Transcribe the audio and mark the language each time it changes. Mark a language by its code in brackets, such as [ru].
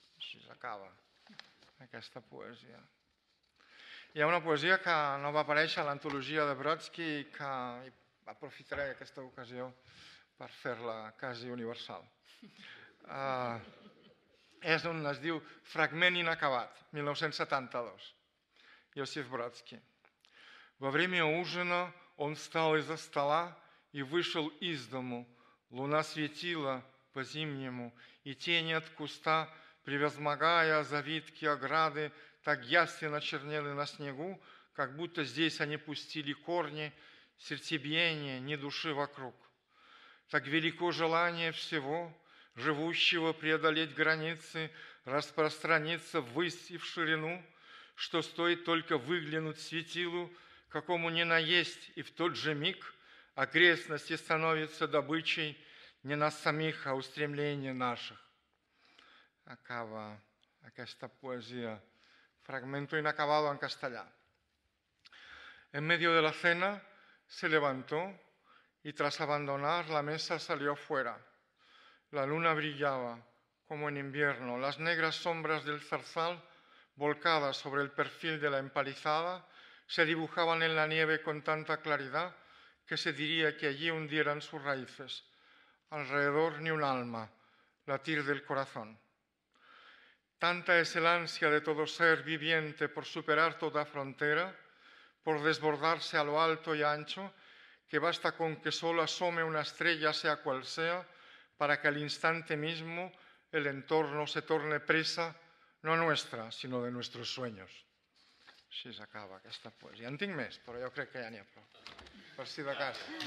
[ca] Així s'acaba aquesta poesia. Hi ha una poesia que no va aparèixer a l'antologia de Brodsky i que aprofitaré aquesta ocasió per fer-la quasi universal. És on es diu «Fragment inacabat», 1972. Iosif Brodsky. [ru] «Во время ужина он встал из-за стола и вышел из дому. Луна светила по-зимнему, и тени от куста, превозмогая завитки ограды, так ясно чернели на снегу, как будто здесь они пустили корни, сердцебиение ни души вокруг. Так велико желание всего живущего преодолеть границы, распространиться ввысь и в ширину, что стоит только выглянуть светилу, какому ни наесть, и в тот же миг окрестности становятся добычей не нас самих, а устремления наших». [ca] Acaba aquesta poesia, «Fragmento inacabado», en castellà. [es] «En medio de la cena se levantó y tras abandonar la mesa salió afuera. La luna brillaba como en invierno. Las negras sombras del zarzal volcada sobre el perfil de la empalizada, se dibujaban en la nieve con tanta claridad que se diría que allí hundieran sus raíces. Alrededor ni un alma, latir del corazón. Tanta es el ansia de todo ser viviente por superar toda frontera, por desbordarse a lo alto y ancho, que basta con que solo asome una estrella, sea cual sea, para que al instante mismo el entorno se torne presa, no nuestra, sino de nuestros sueños. [ca] Així s'acaba aquesta poesia. En tinc més, però jo crec que ja n'hi ha prou. Per si de cas.